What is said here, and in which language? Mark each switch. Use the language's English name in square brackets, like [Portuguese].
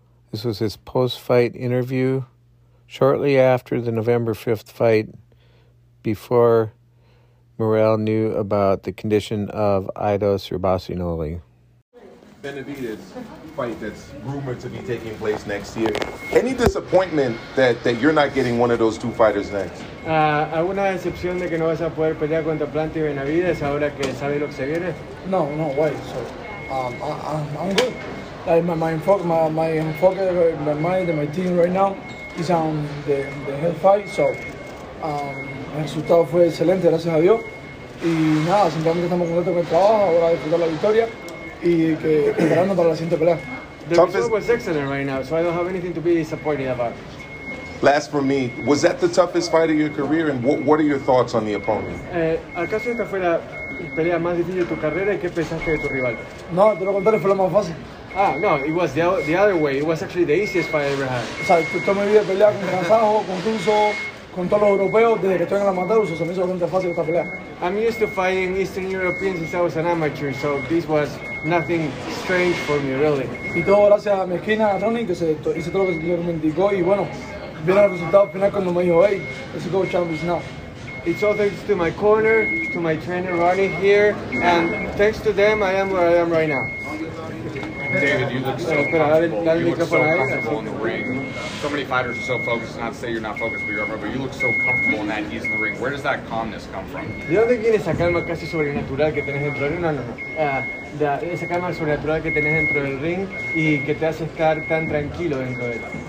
[English] This was his post-fight interview shortly after the November 5th fight, before Morrell knew about the condition of Aidos Yerbossynuly. Benavidez fight that's rumored to be taking place next year. Any disappointment that you're not getting one of those two fighters next? [Spanish] Una decepción de que no vas a poder pelear contra Plante y Benavidez ahora que sabes lo que se viene. [English] No, why? So, I'm good. Like my team right now is on the head fight, so [Spanish] el resultado fue excelente, gracias a Dios. Y nada, simplemente estamos contentos con el trabajo, ahora disfrutar la victoria y que preparando para la siguiente pelea. [English] The result was excellent right now, so I don't have anything to be disappointed about. Last for me, was that the toughest fight of your career, and what are your thoughts on the opponent? [Spanish] ¿Acaso esta fue la pelea más difícil de tu carrera y qué pensaste de tu rival? No, te lo contaré, fue la más fácil. [English] Ah, no, it was the other way. It was actually the easiest fight I ever had. [Spanish] O sea, toda mi vida peleaba con Casajo, con Tuso, con todos los europeos desde que estoy en la Matadora, se me hizo bastante fácil esta pelea. [English] I'm used to fighting Eastern Europeans since I was an amateur, so this was nothing strange for me, really. [Spanish] Y todo gracias a mi esquina, a Ronnie, que se hizo todo lo que se me indicó, y bueno, vieron el resultado final cuando me dijo, [English] hey, let's go champions now. It's all thanks to my corner, to my trainer Ronnie here, and thanks to them, I am where I am right now. David, you look so comfortable. You look so comfortable in the ring. So many fighters are so focused, not to say you're not focused, but you are, but you look so comfortable in that ease in the ring. Where does that calmness come from? [Spanish] ¿De dónde viene esa calma casi sobrenatural que tenés dentro del ring? No. Esa calma sobrenatural que tenés dentro del ring y que te hace estar tan tranquilo dentro de él.